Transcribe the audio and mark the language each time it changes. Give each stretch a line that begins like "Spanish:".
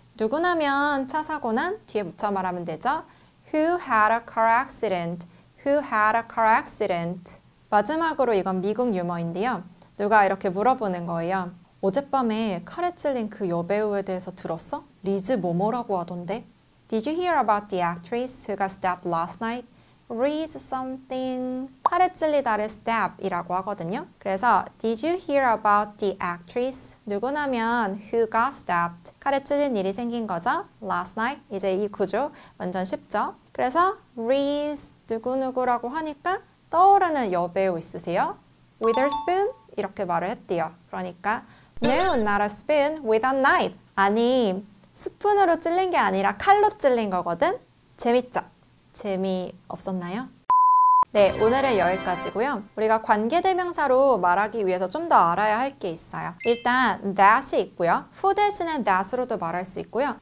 Korean: 누구냐면 차 사고 난 뒤에 붙여 말하면 되죠.
English: Who had a car accident? Who had a car accident?
Korean: 마지막으로 이건 미국 유머인데요. 누가 이렇게 물어보는 거예요. 어젯밤에 칼에 찔린 그 여배우에 대해서 들었어? 리즈 뭐뭐라고 하던데?
English: Did you hear about the actress who got stabbed last night? Reese something.
Korean: 칼에 찔리다를 stab이라고 하거든요. 그래서
English: Did you hear about the actress?
Korean: 누구냐면
English: who got stabbed.
Korean: 칼에 찔린 일이 생긴 거죠.
English: Last night.
Korean: 이제 이 구조 완전 쉽죠. 그래서 Reese 누구누구라고 하니까 떠오르는 여배우 있으세요? Witherspoon? 이렇게 말을 했대요.
English: 그러니까 No, not a spoon with a knife.
Korean: 아니, 스푼으로 찔린 게 아니라 칼로 찔린 거거든? 재밌죠? 재미없었나요? 네, 오늘은 여기까지고요. 우리가 관계대명사로 말하기 위해서 좀 더 알아야 할 게 있어요. 일단 that이 있고요. who 대신에 that으로도 말할 수 있고요.